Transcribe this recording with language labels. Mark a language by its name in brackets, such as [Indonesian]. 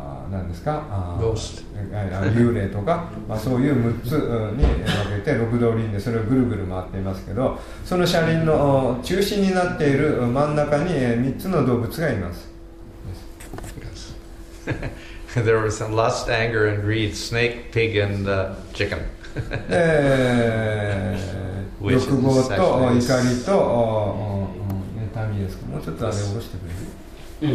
[Japanese] 何ですか、幽霊とか、まあ、そういう6つに分けて六道輪廻、それをぐるぐる回っていますけど、その車輪の中心になっている真ん中に3つの動物がいます。 [English] Yes. There was some lust, anger and greed, snake, pig and chicken. [Japanese] 欲望と怒りと妬みですか。もうちょっとあれ下ろしてくれる。